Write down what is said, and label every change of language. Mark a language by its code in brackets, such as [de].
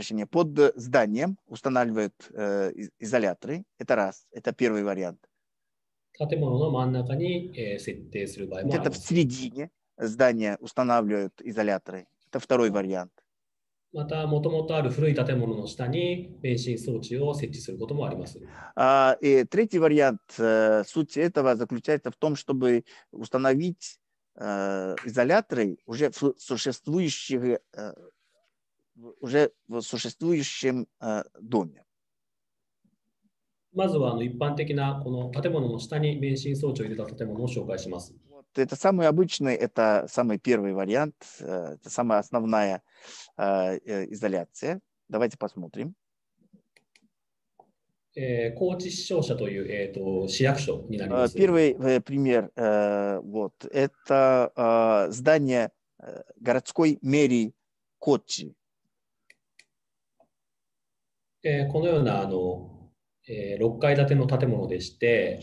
[ru] Под зданием устанавливают изоляторы. Это раз. Это первый вариант. [ja] 建物の真ん中に、設定する場合もあります。 [ru] Это в середине здания устанавливают изоляторы. Это второй вариант. [ja] また、もともとある古い建物の下に免震装置を設置することもあります。 [ru] третий вариант сути этого заключается в том, чтобы установить изоляторы уже в существующих, уже в существующем доме. [ja] まずは一般的なこの建物の下に免震装置を入れた建物を紹介します。 [ru] Это самый обычный, это самый первый вариант, это самая основная изоляция. Давайте посмотрим. [ja] 高知市庁舎という、市役所になります。 [ru] Первый пример, вот, это здание городской мэрии Кочи. [ja] このような6階建ての建物でして、